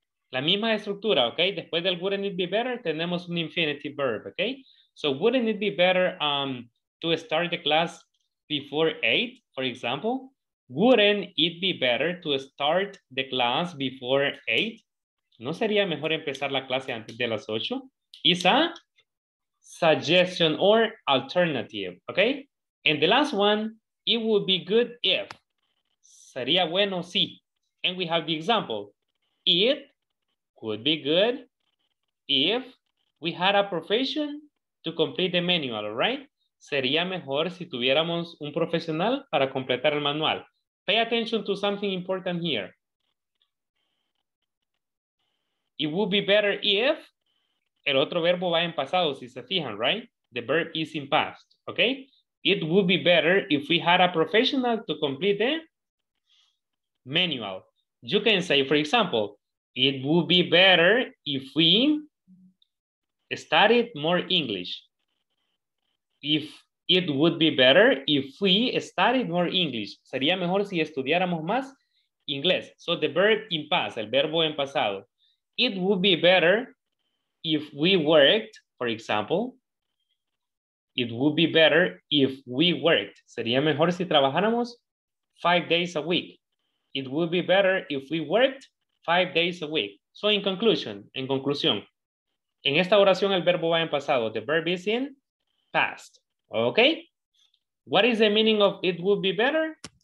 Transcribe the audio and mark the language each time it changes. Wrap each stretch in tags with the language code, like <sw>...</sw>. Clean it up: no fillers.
<es>La misma estructura, okay? Después del</es> <en>wouldn't it be better,</en> <es>tenemos un infinitive verb, okay?</es> <en>So wouldn't it be better to start the class before 8, for example? Wouldn't it be better to start the class before 8?</en> <es>¿No sería mejor empezar la clase antes de las 8?</es> <en>Is a suggestion or alternative, okay? And the last one, it would be good if.</en> <es>Sería bueno si.</es> <en>And we have the example. It would be good if we had a profession to complete the manual, right?</en> <es>Sería mejor si tuviéramos un profesional para completar el manual.</es> <en>Pay attention to something important here. It would be better if,</en> <es>el otro verbo va en pasado, si se fijan, right?</es> <en>The verb is in past, okay? It would be better if we had a professional to complete the manual. You can say, for example, it would be better if we studied more English. If it would be better if we studied more English.</en> <es>Sería mejor si estudiáramos más inglés.</es> <en>So the verb in past,</en> <es>el verbo en pasado.</es> <en>It would be better if we worked, for example. It would be better if we worked.</en> <es>Sería mejor si trabajáramos</es> <en>5 days a week. It would be better if we worked 5 days a week. So in conclusion,</en> <es>en conclusión, en esta oración el verbo va en pasado.</es> <en>The verb is in past. Okay. What is the meaning of it would be better?</en>